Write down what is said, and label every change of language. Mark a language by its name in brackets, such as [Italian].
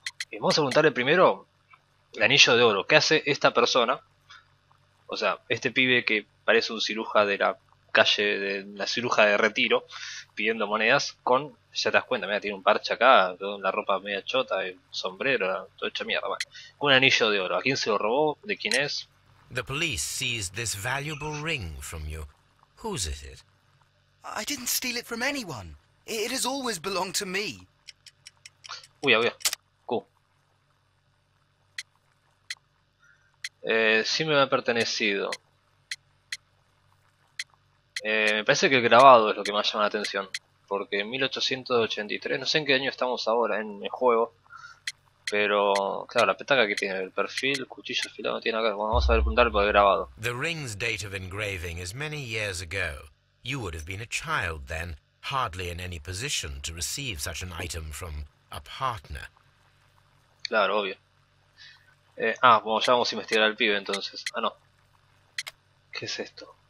[Spanish] Y vamos a preguntarle primero el anillo de oro. ¿Qué hace esta persona? O sea, este pibe que parece un ciruja de la calle, de la ciruja de retiro, pidiendo monedas con... Ya te das cuenta, mira, tiene un parche acá, con la ropa media chota, el sombrero, todo hecho mierda. Bueno, con un anillo de oro. ¿A quién se lo robó? ¿De quién es? [English] The police seized this valuable ring from you. Whose is it? I didn't steal it from anyone. It has always belonged to me. [Spanish] Uy, uy, sí me ha pertenecido. Me parece que el grabado es lo que más llama la atención. Porque en 1883, no sé en qué año estamos ahora en el juego. Pero, claro, la petaca que tiene, el perfil, el cuchillo afilado no tiene acá. Bueno, vamos a ver, preguntarle por el grabado. [English] The ring's date of engraving is many years ago. You would have been a child then, hardly in any position to receive such an item from a partner. [Spanish] Claro, obvio. Bueno, ya vamos a investigar al pibe entonces. Ah, no. ¿Qué es esto?